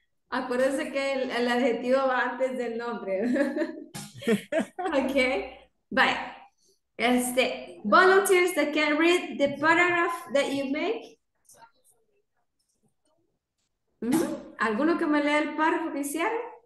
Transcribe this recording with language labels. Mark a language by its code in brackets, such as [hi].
[es] Acuérdense que el adjetivo va antes del nombre. Okay. Vaya. [en] Este, volunteers that can read the paragraph that you make. [es] ¿Alguno que me lea el párrafo que hicieron?